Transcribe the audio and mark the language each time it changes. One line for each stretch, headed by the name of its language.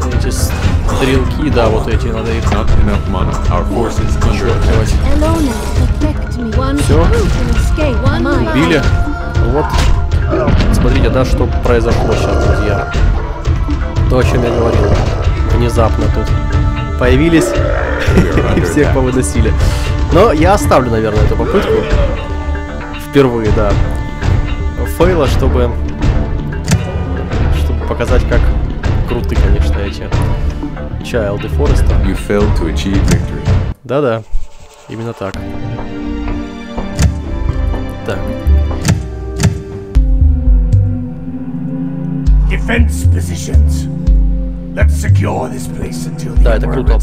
Russian: Стрелки, да, вот эти надо их.
English: Not enough mana. Our forces
Russian: убили. Вот. Смотрите, да, что произошло сейчас, друзья. То, о чем я говорил. Внезапно тут появились и всех повыносили. Но я оставлю, наверное, эту попытку. Впервые, да. Фейла, чтобы показать, как круты, конечно, эти.
English: Child of Forest. You failed to achieve victory.
Russian: Да-да, именно так. Так.
English: Defense positions. Let's secure this place until the Emperor returns.